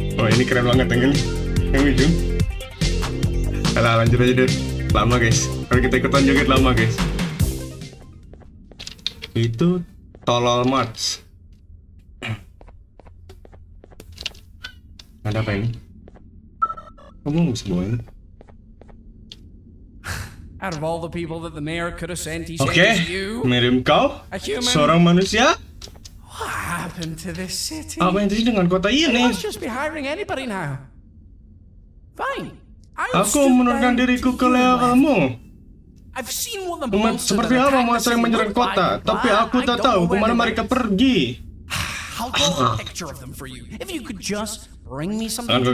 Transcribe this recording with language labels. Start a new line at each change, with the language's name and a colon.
Indonesian: Ini keren banget yang ini. Yang ini. Nah, lanjut aja deh. Lama guys. Kalau kita ikutan joget lama guys. Itu Tolol March. Ada apa ini? Kamu nggak bisa bawa ini?
English: Out of all the people that the mayor could have sent, he said okay. You.
Indonesian: Mirim kau?
English: A human.
Indonesian: Seorang manusia?
English: What happened to this city?
Indonesian: Apa yang terjadi dengan kota ini?
English: They must just be hiring anybody now. Fine.
Indonesian: Aku menurunkan diriku ke levelmu.
English: I've seen what the monster that attacked the city.
Indonesian: Seperti apa monster yang menyerang kota? Tapi aku tak tahu kemana mereka pergi.
English: I'll draw a picture of them for you. If you could just bring me something to